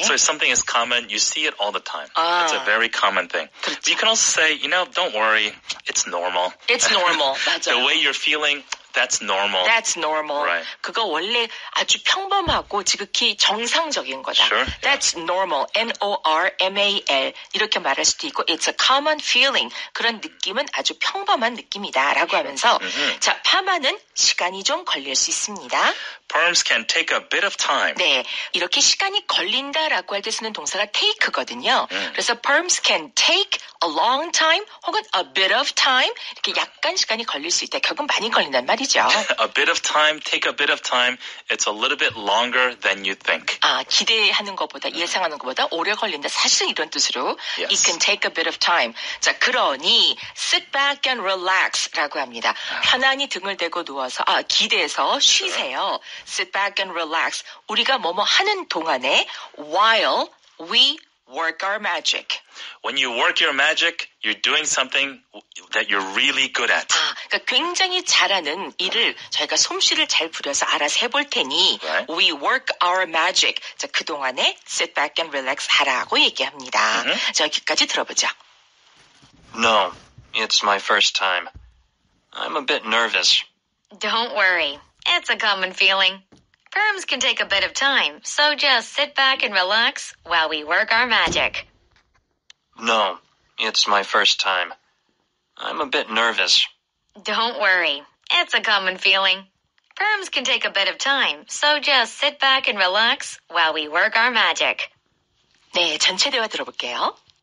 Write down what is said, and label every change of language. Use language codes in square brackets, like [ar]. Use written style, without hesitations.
[en] So if something is common, you see it all the time. 아, it's a very common thing. [ko] 그렇죠. [en] But you can also say, you know, don't worry, it's normal. It's normal, [ko] 맞아요. [en] The way you're feeling, that's normal. That's normal. Right. [ko] 그거 원래 아주 평범하고 지극히 정상적인 거다. [en] Sure. That's yeah. normal. N-O-R-M-A-L. [ko] 이렇게 말할 수도 있고 [en] It's a common feeling. [ko] 그런 느낌은 아주 평범한 느낌이다. 라고 하면서 mm-hmm. 자, 파마는 시간이 좀 걸릴 수 있습니다. [en] Perms can take a bit of time. [ko] 네. 이렇게 시간이 걸린다 라고 할 때 쓰는 동사가 take거든요. Mm. 그래서 [en] perms can take a long time [ko] 혹은 [en] a bit of time. [ko] 이렇게 약간 시간이 걸릴 수 있다. 결국 많이 걸린다는 말이 [en] A bit of time, take a bit of time. It's a little bit longer than you think. [ko] 아, 기대하는 것보다, 예상하는 것보다 오래 걸린다. 사실 이런 뜻으로. [en] Yes. It can take a bit of time. [ko] 자, 그러니 [en] sit back and relax [ko] 라고 합니다. 편안히 등을 대고 누워서, 아, 기대해서 쉬세요. [en] Sure. Sit back and relax. [ko] 우리가 뭐뭐 하는 동안에 [en] while we work our magic. When you work your magic, you're doing something that you're really good at. [ko] 아, 그러니까 굉장히 잘하는 일을 저희가 솜씨를 잘 부려서 알아서 해볼 테니 [en] right. We work our magic. [ko] 자, 그동안에 [en] sit back and relax [ko] 하라고 얘기합니다. Mm-hmm. 자, 여기까지 들어보죠. [en] No, it's my first time. I'm a bit nervous. Don't worry. It's a common feeling. Perms can take a bit of time, so just sit back and relax while we work our magic. No, it's my first time. I'm a bit nervous. Don't worry. It's a common feeling. Perms can take a bit of time, so just sit back and relax while we work our magic. [ko] 네, 전체 대화 들어볼게요.